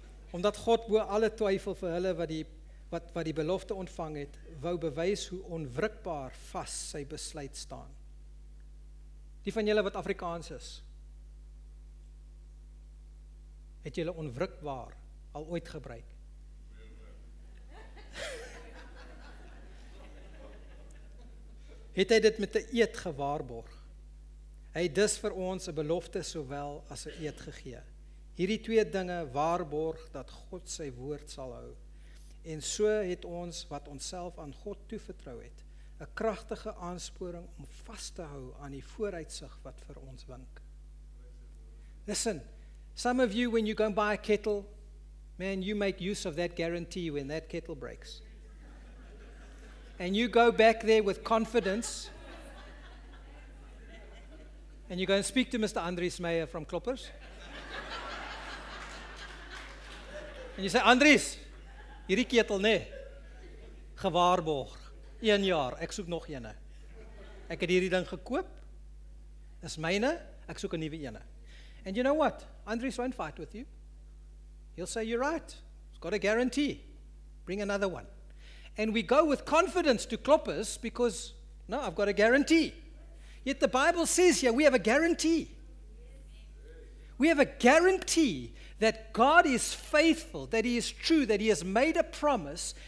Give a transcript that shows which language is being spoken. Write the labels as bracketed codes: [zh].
[af] Omdat God bo alle twyfel vir hulle wat die belofte ontvang het, wou bewys hoe onwrikbaar vas sy besluit staan. Die van julle wat Afrikaans is, het julle onwrikbaar al ooit gebruik? Het hy dit met 'n eed gewaarborg. Hy het dus vir ons 'n belofte sowel as 'n eed gegee. Hierdie twee dinge waarborg dat God sy woord sal hou. En so het ons wat onsself aan God toevertrou het, 'n kragtige aansporing om vas te hou aan die vooruitsig wat vir ons wink. [en] Listen, some of you when you go and buy a kettle, man, you make use of that guarantee when that kettle breaks. And you go back there with confidence. And you go and speak to Mr. Andries Meyer from Kloppers. And you say, [af] Andries, hierdie ketel nê, gewaarborg, 1 jaar, ek soek nog ene. Ek het hierdie ding gekoop, is myne, ek soek 'n nuwe ene. [en] And you know what? Andries won't fight with you. He'll say, you're right, it's got a guarantee. Bring another one. And we go with confidence to Kloppers because, no, I've got a guarantee. Yet the Bible says here, we have a guarantee. We have a guarantee that God is faithful, that he is true, that he has made a promise.